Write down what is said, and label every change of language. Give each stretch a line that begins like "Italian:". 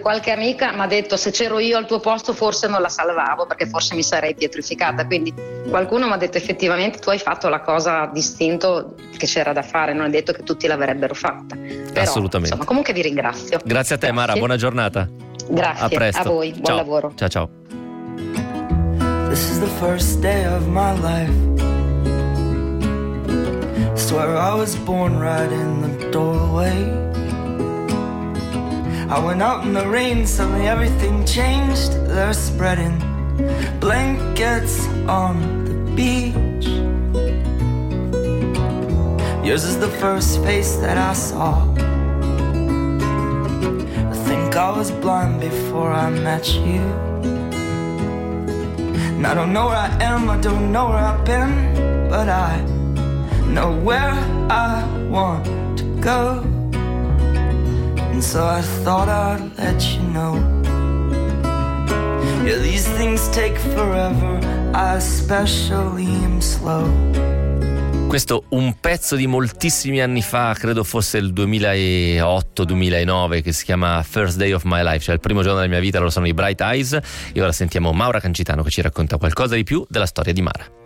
Italian: Qualche amica mi ha detto: se c'ero io al tuo posto forse non la salvavo, perché forse mi sarei pietrificata. Quindi qualcuno mi ha detto: effettivamente tu hai fatto la cosa distinto che c'era da fare, non è detto che tutti l'avrebbero fatta. Però, assolutamente, insomma, comunque vi ringrazio. Grazie a te, Mara, buona giornata. Grazie, a presto. A voi, buon ciao. Lavoro. Ciao ciao.
English: This is the first day of my life. Swear I was born right in the doorway. I went out in the rain, suddenly everything changed. They're spreading blankets on the beach. Yours is the first face that I saw. I think I was blind before I met you. And I don't know where I am, I don't know where I've been, but I know where I want to go. And so I thought I'd let you know. Yeah, these things take forever, I especially am slow.
Italian: Questo un pezzo di moltissimi anni fa, credo fosse il 2008-2009, che si chiama First Day of My Life, cioè il primo giorno della mia vita, loro sono i Bright Eyes. E ora sentiamo Maura Cancitano che ci racconta qualcosa di più della storia di Mara.